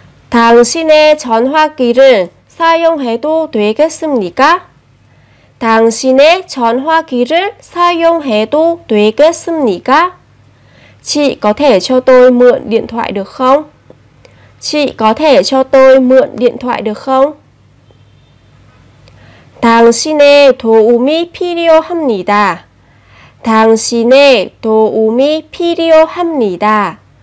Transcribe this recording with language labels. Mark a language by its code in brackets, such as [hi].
[ko] 당신의 전화기를 사용해도 되겠습니까? 당신의 전화기를 사용해도 되겠습니까? [vi] Chị có thể cho tôi mượn điện thoại được không? Chị có thể cho tôi mượn điện thoại được không? [ko] 당신의 도움이 필요합니다. 당신의 도움이 필요합니다.